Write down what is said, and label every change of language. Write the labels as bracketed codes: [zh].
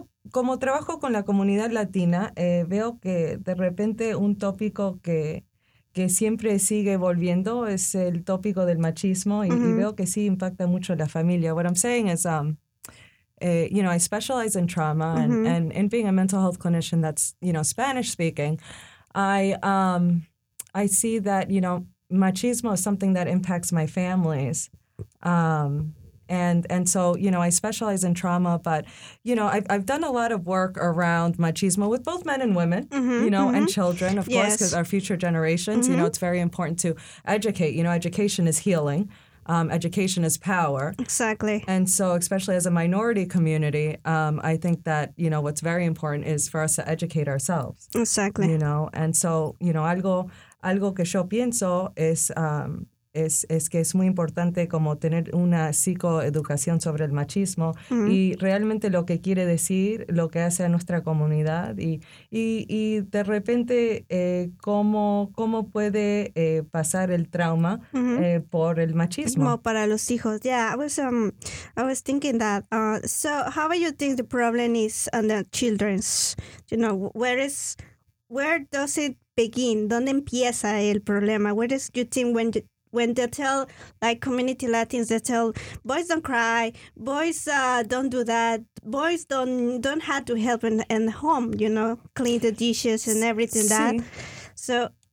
[es] Como trabajo con la comunidad latina, veo que de repente un tópico que siempre sigue volviendo es el tópico del machismo y veo que sí impacta mucho a la familia. [en] What I'm saying is, you know, I specialize in trauma and being a mental health clinician that's, you know, Spanish speaking, I see that, you know, machismo is something that impacts my families. And so, you know, I specialize in trauma, but, you know, I've done a lot of work around machismo with both men and women, and children, of course, because our future generations, you know, it's very important to educate. You know, education is healing. Education is power. Exactly. And so, especially as a minority community, I think that, you know, what's very important is for us to educate ourselves. Exactly. You know, and so, you know, [es] algo que yo pienso es... Es que es muy importante como tener una psicoeducación sobre el machismo y realmente lo que quiere decir, lo que hace a nuestra comunidad y de repente cómo puede pasar el trauma por el machismo. Como para los hijos. [en] I was thinking that. So how do you think the problem is on the children's? You know, where does it begin? [es] ¿Dónde empieza el problema? [en] Where does you think when they tell, like, community Latins, they tell, boys don't cry, boys don't do that, boys don't have to help in home, you know, clean the dishes and everything that.